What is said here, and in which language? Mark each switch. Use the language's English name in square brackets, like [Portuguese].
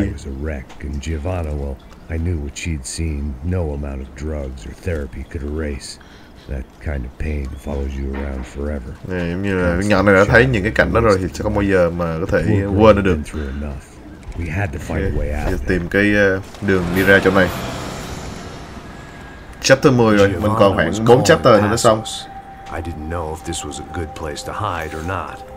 [English] I was a wreck, and Giovanna, well, I knew what she'd seen. No amount of drugs or therapy could erase. That kind of pain follows you around forever. [Vietnamese] Giống như là nhỏ này đã thấy những cái cảnh đó rồi thì sẽ không bao giờ mà có thể quên nó được. [English] We had to find a way out. [Vietnamese] Tìm cái đường đi ra chỗ này. Chapter 10 rồi, mình còn khoảng 4 chapter thì nó xong. [English] I didn't know if this was a good place to hide or not.